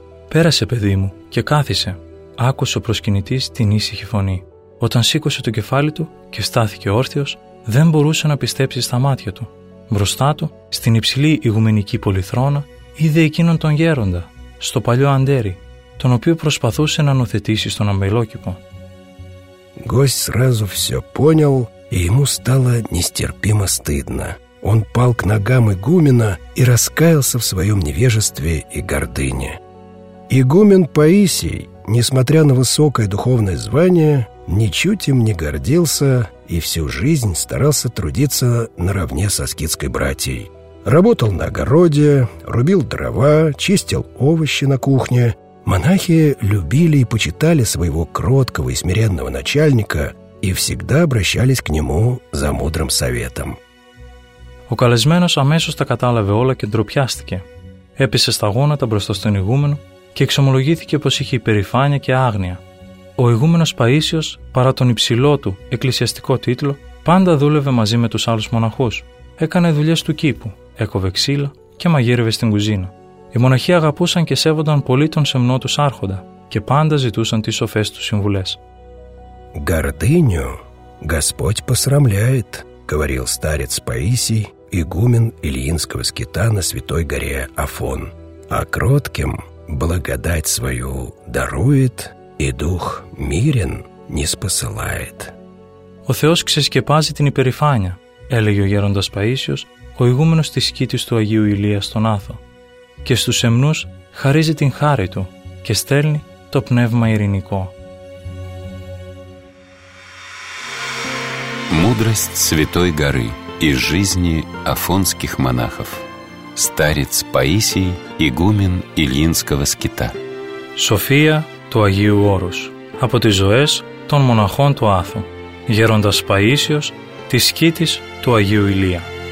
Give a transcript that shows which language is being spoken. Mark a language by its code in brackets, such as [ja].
[el] «Πέρασε, παιδί μου, και κάθισε», άκουσε ο προσκυνητής την ήσυχη φωνή. Όταν σήκωσε το κεφάλι του και στάθηκε όρθιος, δεν μπορούσε να πιστέψει στα μάτια του. Μπροστά του, στην υψηλή ηγουμενική πολυθρόνα, είδε εκείνον τον γέροντα, στο παλιό αντέρι, τον οποίο προσπαθούσε να νοθετήσει στον αμπελόκηπο. [ru] Гость сразу все понял, и ему стало нестерпимо стыдно. Он пал к ногам игумена и раскаялся в своем невежестве и гордыне. Игумен Паисий, несмотря на высокое духовное звание, ничуть им не гордился и всю жизнь старался трудиться наравне со скитской братьей. Работал на огороде, рубил дрова, чистил овощи на кухне. Монахи любили и почитали своего кроткого и смиренного начальника и всегда обращались к нему за мудрым советом. [el] Ο καλεσμένος αμέσως τα κατάλαβε όλα και ντροπιάστηκε. Έπεσε στα γόνατα μπροστά στον ηγούμενο και εξομολογήθηκε πως είχε υπερηφάνεια και άγνοια. Ο ηγούμενος Παΐσιος, παρά τον υψηλό του εκκλησιαστικό τίτλο, πάντα δούλευε μαζί με τους άλλους μοναχούς. Έκανε δουλειές του κήπου, έκοβε ξύλα και μαγείρευε στην κουζίνα. Οι μοναχοί αγαπούσαν και σέβονταν πολύ τον σεμνό τους άρχοντα και πάντα ζητούσαν τις σοφές τους συμβουλές. [ru] «Гордыню Господь посрамляет», говорил старец Паисий, игумен Ильинского скита на святой горе Афон. «А кротким благодать свою дарует и дух мирен не спосылает». [el] «Ο Θεός ξεσκεπάζει την υπερηφάνεια», έλεγε ο γέροντας Παΐσιος, ο ηγούμενος της σκήτης του Αγίου Ηλία στον Άθο. «Και στους σεμνούς χαρίζει την χάρη του και στέλνει το πνεύμα ειρηνικό». [ru] Мудрость Святой Горы и жизни афонских монахов. Старец Паисий, игумен Ильинского скита. [el] София του Αγίου Όρους. Από τις ζωές των μοναχών του Άθου. Γέροντας Παΐσιος της σκήτης του Αγίου Ηλία.